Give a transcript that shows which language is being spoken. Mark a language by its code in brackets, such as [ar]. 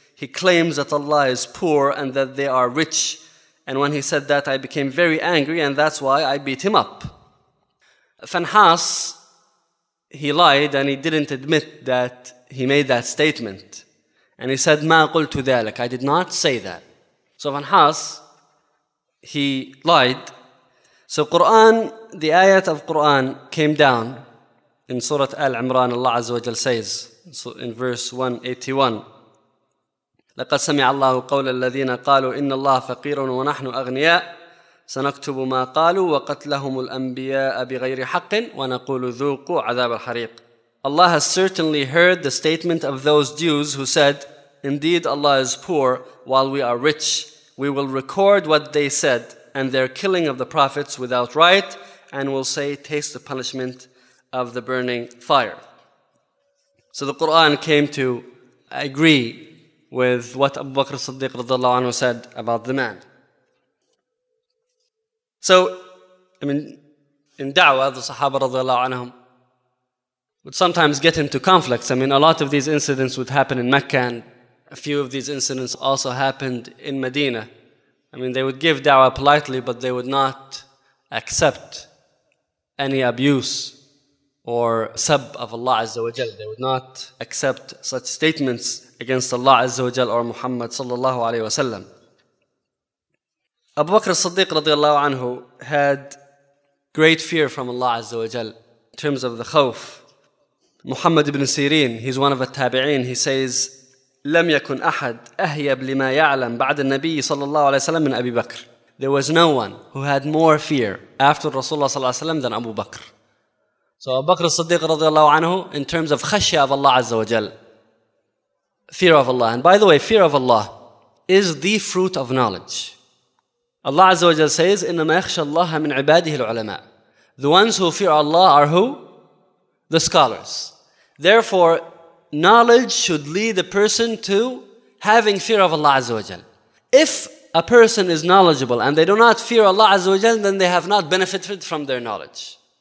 [en] He claims that Allah is poor and that they are rich. And when he said that, I became very angry, and that's why I beat him up. Fanhas, he lied and he didn't admit that he made that statement. And he said, [ar] مَا قُلْتُ ذَلَكَ, [en] I did not say that. So Fanhas, he lied. So Quran, the ayat of Quran came down in Surah Al-Imran, Allah Azza wa Jal says, so in verse 181, [ar] لَقَدْ سَمِعَ اللَّهُ قَوْلَ الَّذِينَ قَالُوا إِنَّ اللَّهَ فَقِيرٌ وَنَحْنُ أَغْنِيَاءُ سَنَكْتُبُ مَا قَالُوا وَقَتْلَهُمُ الْأَنْبِيَاءَ بِغَيْرِ حَقٍّ وَنَقُولُ ذُوقُوا عَذَابَ الْحَرِيقِ. [en] Allah has certainly heard the statement of those Jews who said, indeed Allah is poor while we are rich. We will record what they said and their killing of the prophets without right, and will say, taste the punishment of the burning fire. So the Quran came to agree with what Abu Bakr as-Siddiq radiallahu anhu said about the man. So, I mean, in da'wah, the Sahaba radiallahu anhum would sometimes get into conflicts. I mean, a lot of these incidents would happen in Mecca, and a few of these incidents also happened in Medina. I mean, they would give da'wah politely, but they would not accept any abuse or sab of Allah Azza wa Jal. They would not accept such statements against Allah Azza wa Jal or Muhammad sallallahu alayhi wa sallam. Abu Bakr as-Siddiq radiallahu anhu had great fear from Allah Azza wa Jal in terms of the khawf. Muhammad ibn Sirin, he's one of the tabi'een, he says, [ar] لم يكن أحد أهيب لما يعلم بعد النبي صلى الله عليه وسلم من أبي بكر. [en] There was no one who had more fear after Rasulullah صلى الله عليه وسلم than Abu Bakr. So Abu Bakr as-Siddiq radiallahu anhu, in terms of khashya of Allah Azza wa Jal, fear of Allah. And by the way, fear of Allah is the fruit of knowledge. Allah Azza wa Jal says, [ar] إِنَّمَا يَخْشَ اللَّهَ مِنْ عِبَادِهِ الْعُلَمَاءِ. [en] The ones who fear Allah are who? The scholars. Therefore, knowledge should lead a person to having fear of Allah Azza wa Jal. If a person is knowledgeable and they do not fear Allah Azza wa Jal, then they have not benefited from their knowledge.